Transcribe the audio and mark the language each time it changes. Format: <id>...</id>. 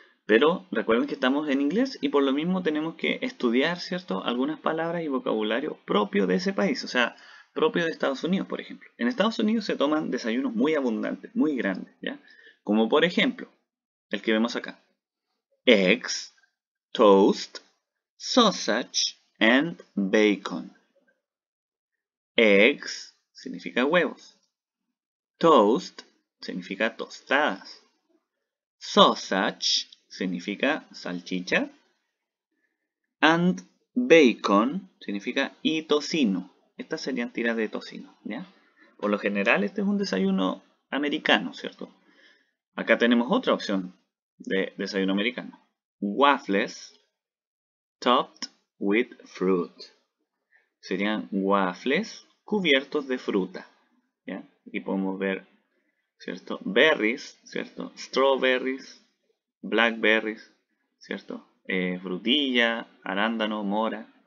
<es>Pero recuerden que estamos en inglés y por lo mismo tenemos que estudiar, ¿cierto? Algunas palabras y vocabulario propio de ese país, o sea, propio de Estados Unidos, por ejemplo. En Estados Unidos se toman desayunos muy abundantes, muy grandes, ¿ya? Como por ejemplo, el que vemos acá.</es> <en>Eggs, toast, sausage and bacon.</en> <es>Eggs significa huevos. Toast significa tostadas. Sausage significa salchicha.</es> <en>And bacon</en> <es>significa y tocino. Estas serían tiras de tocino, ¿ya? Por lo general, este es un desayuno americano, ¿cierto? Acá tenemos otra opción de desayuno americano.</es> <en>Waffles topped with fruit.</en> <es>Serían waffles cubiertos de fruta, ¿ya? Aquí podemos ver, ¿cierto? Berries, ¿cierto?</es> <en>Strawberries, blackberries, ¿cierto?</en> <es>Frutilla, arándano, mora.</es>